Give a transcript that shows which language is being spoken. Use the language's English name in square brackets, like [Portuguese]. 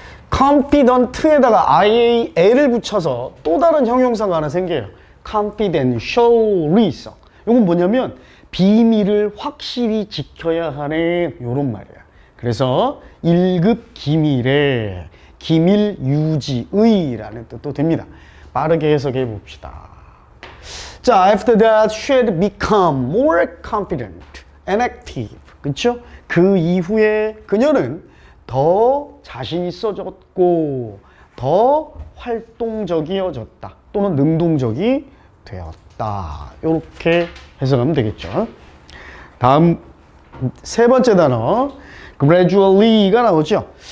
[Korean] confident에다가 ial을 붙여서 또 다른 형용사가 하나 생겨요. confidentially 있어. 요건 뭐냐면 비밀을 확실히 지켜야 하는 요런 말이야. 그래서 1급 기밀의 기밀 유지의 라는 뜻도 됩니다. 빠르게 해석해 봅시다. 자, [English] after that she had become more confident and active. [Korean] 그쵸? 그 이후에 그녀는 더 자신 있어졌고 더 활동적이어졌다 또는 능동적이 되었다. 이렇게 해석하면 되겠죠. 다음 세 번째 단어 gradually가 나오죠.